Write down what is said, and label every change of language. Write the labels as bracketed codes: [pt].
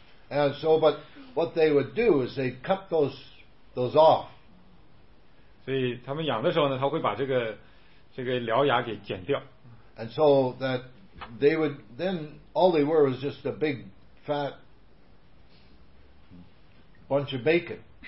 [en] And so, but what they would do is they cut those off. [zh] 所以他们养的时候呢，他会把这个獠牙给剪掉。 [en] And so that they would then all they were was just a big fat bunch of bacon.